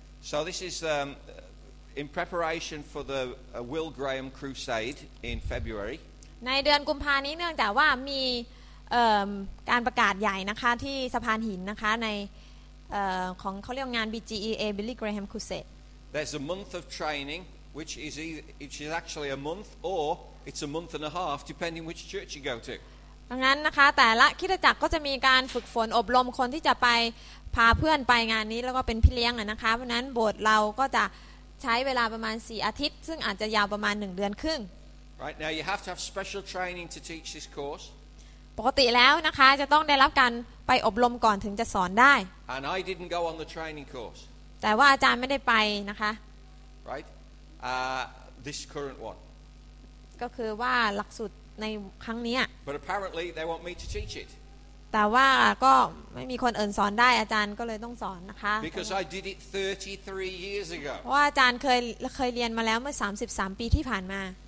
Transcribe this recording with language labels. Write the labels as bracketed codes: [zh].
[en] So this is in preparation for the Will Graham Crusade in February. [th] ในเดือนกุมภานี้เนื่องจากว่ามีการประกาศใหญ่นะคะที่สะพานหินนะคะในของเขาเรียกงาน BGEA Billy Graham Crusade. [en] There's a month of training, which is actually a month or it's a month and a half, depending which church you go to. [th] ดังนั้นนะคะแต่ละคริสตจักรก็จะมีการฝึกฝนอบรมคนที่จะไปพาเพื่อนไปงานนี้แล้วก็เป็นพี่เลี้ยงนะคะเพราะนั้นโบสถ์เราก็จะใช้เวลาประมาณ4อาทิตย์ซึ่งอาจจะยาวประมาณ1เดือนครึ่ง [en] Right now you have to have special training to teach this course [th] ปกติแล้วนะคะจะต้องได้รับการไปอบรมก่อนถึงจะสอนได้ [en] And I didn't go on the training course [th] แต่ว่าอาจารย์ไม่ได้ไปนะคะ [en] Right this current one [th] ก็คือว่าหลักสูตรในครั้งนี้ [en] But apparently they want me to teach it. [th] แต่ว่าก็ไม่มีคนอื่นสอนได้อาจารย์ก็เลยต้องสอนนะคะ [en] Because I did it 33 years ago. [th] ว่าอาจารย์เคยเรียนมาแล้วเมื่อ33ปีที่ผ่านมา